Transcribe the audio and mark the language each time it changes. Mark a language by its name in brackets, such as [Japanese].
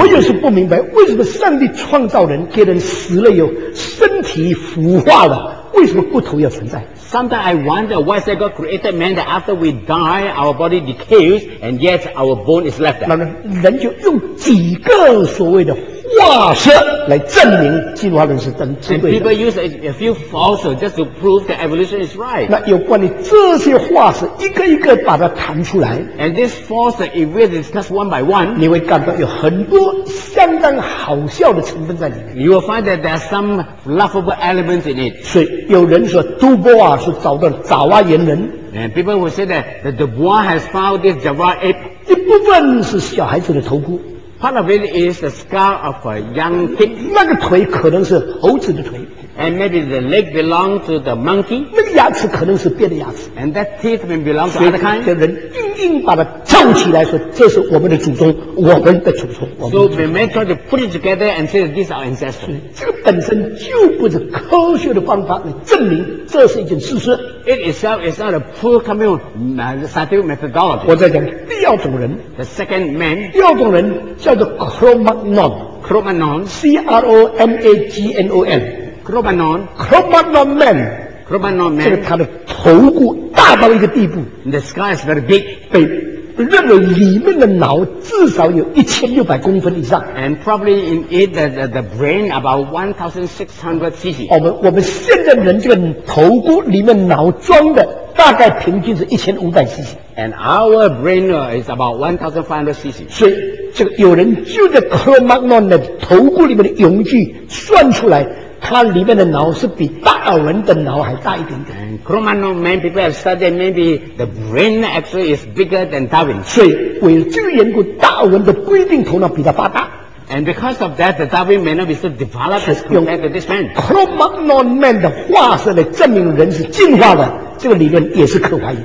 [Chinese] 我就是不明白为什么上帝创造人，给人死了有身体腐化了，为什么骨头要存在？ [English] Sometimes I wonder why that God created man that after we die, our body decays, and yet our bone is left. [Chinese] 那人就用几个所谓的化石来证明进化论是真对的。 [English] And people use a few fossils just to prove that evolution is right. [Chinese] 那有关于这些化石一个一个把它弹出来。 [English] And this fossil, if we discuss one by one, [Chinese] 你会感到有很多相当好笑的成分在里面。 [English] You will find that there are some laughable elements in it. [Chinese] 所以有人说杜波瓦是找到爪哇猿人。 [English] And people will say that Du Bois has found this Java ape. [Chinese] 一部分是小孩子的头骨。 [English] Part of it is the scar of a young kid. [Chinese] 那个腿可能是猴子的腿。 [English] And maybe the leg belongs to the monkey. [Chinese] 那个牙齿可能是别的牙齿。 [English] And that teeth may belong to other kind. [Chinese] 所以人硬硬把它凑起来说，这是我们的祖宗，我们的祖宗。 [English] So we may try to put it together and say that these are ancestors. [Chinese] 这个本身就不是科学的方法来证明这是一件事实。 [English] It itself is not a poor scientific methodology. [Chinese] 我在讲第二种人。 [English] The second man. [Chinese] 第二种人叫做 Cro-Magnon. [English] Cro-Magnon. C-R-O-M-A-G-N-O-N. Cro-Magnon, Cro-Magnon man, Cro-Magnon man, [Chinese] 这个他的头骨大到一个地步 [English] ，the sky is very big, [Chinese] 被认为里面的脑至少有1600公分以上 [English] ，and probably in it the brain about 1600 cc. [Chinese] 我们现在人这个头骨里面脑装的大概平均是1500 cc. [English] And our brain is about 1500 cc. [Chinese] 所以这个有人就在 Cro-Magnon 的头骨里面的容积算出来。它里面的脑是比达尔文的脑还大一点点。 [English] Cro-Magnon man, people have studied maybe the brain actually is bigger than Darwin. [Chinese] 所以为这个缘故，达尔文的不一定头脑比他发达。 [English] And because of that, the Darwin may not be so developed as compared to this man. [Chinese] Cro-Magnon man 的化石来证明人是进化的，这个理论也是可怀疑。